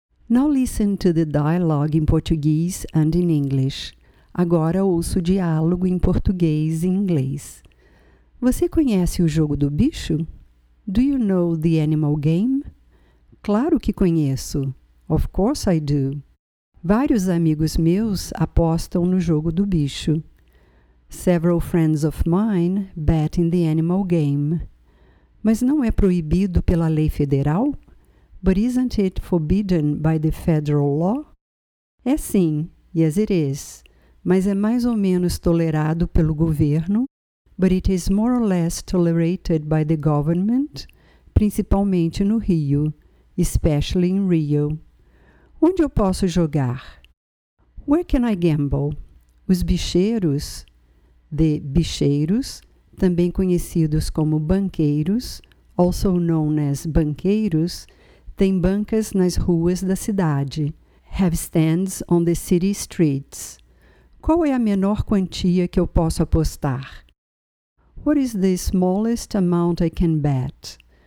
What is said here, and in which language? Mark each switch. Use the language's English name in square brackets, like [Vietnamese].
[English] Now listen to the dialogue in Portuguese and in English. [Portuguese] Agora ouço o diálogo em português e inglês. Você conhece o jogo do bicho? [English] Do you know the animal game? [Portuguese] Claro que conheço. [English] Of course I do. [Portuguese] Vários amigos meus apostam no jogo do bicho. [English] Several friends of mine bet in the animal game. [Portuguese] Mas não é proibido pela lei federal? [English] But isn't it forbidden by the federal law? [Portuguese] É sim, [English] yes it is. [Portuguese] Mas é mais ou menos tolerado pelo governo? [English] But it is more or less tolerated by the government, [Portuguese] principalmente no Rio, [English] especially in Rio. [Portuguese] Onde eu posso jogar? [English] Where can I gamble? [Portuguese] Os bicheiros... The bicheiros, também conhecidos como banqueiros, [English] also known as banqueiros, [Portuguese] têm bancas nas ruas da cidade. [English] Have stands on the city streets. [Portuguese] Qual é a menor quantia que eu posso apostar? [English] What is the smallest amount I can bet?